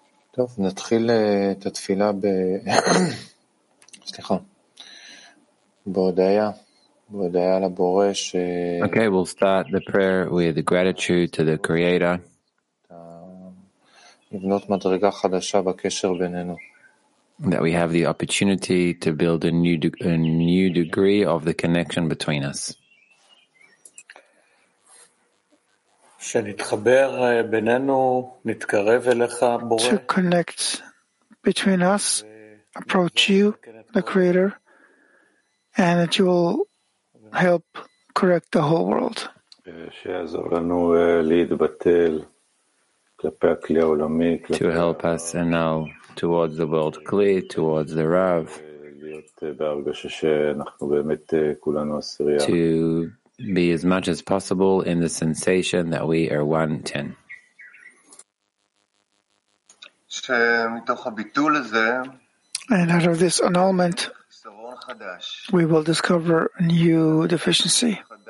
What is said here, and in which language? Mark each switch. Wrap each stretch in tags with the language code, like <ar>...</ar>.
<he>טוב, נתחיל את התפילה בהודיה לבורא ש...</he> <en>Okay, we'll start the prayer with gratitude to the Creator.</en> <he>לבנות מדרגה חדשה בקשר בינינו.</he> <en>That we have the opportunity to build a new degree of the connection between us.</en> <he>שנתחבר בינינו, נתקרב אליך, בורא.</he> <en>To connect between us, approach you, the Creator, and that you will help correct the whole world.</en> <he>שיעזור לנו להתבטל כלפי הכלי העולמי.</he> <en>To help us now towards the world clay, towards the Rav.</en> <he>להיות בהרגשה שאנחנו באמת כולנו עשירייה.</he> <en>To be as much as possible in the sensation that we are 110.</en> <he>שמתוך הביטול הזה,</he> <en>And out of this annulment, we will discover a new deficiency.</en>